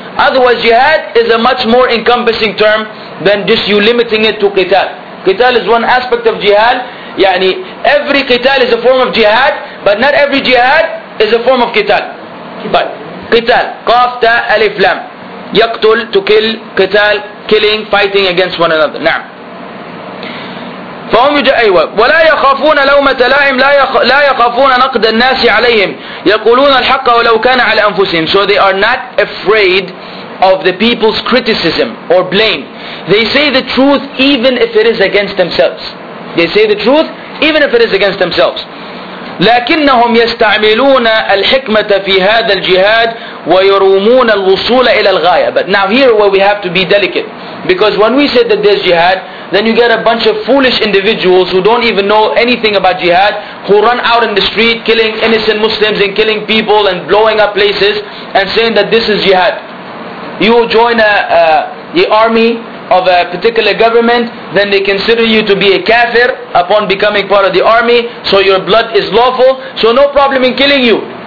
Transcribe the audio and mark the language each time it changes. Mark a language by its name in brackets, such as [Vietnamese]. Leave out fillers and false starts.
[English] Otherwise, jihad is a much more encompassing term than just you limiting it to qital. Qital is one aspect of jihad. Yani every qital is a form of jihad, but not every jihad is a form of qital. But qital, qaf ta alif lam, yaqtul, to kill, qital, killing, fighting against one another. [Arabic] Na'am. فهم أيوة ولا يخافون لومة لائم لا يخافون نقد الناس عليهم يقولون الحق ولو كان على أنفسهم. [English] So they are not afraid of the people's criticism or blame. They say the truth even if it is against themselves. They say the truth even if it is against themselves. [Arabic] لكنهم يستعملون الحكمة في هذا الجهاد ويرومون الوصول إلى الغاية. [English] But now here where we have to be delicate, because when we say that there's jihad, then you get a bunch of foolish individuals who don't even know anything about jihad, who run out in the street killing innocent Muslims and killing people and blowing up places and saying that this is jihad. You join the army of a particular government, then they consider you to be a kafir upon becoming part of the army, so your blood is lawful, so no problem in killing you.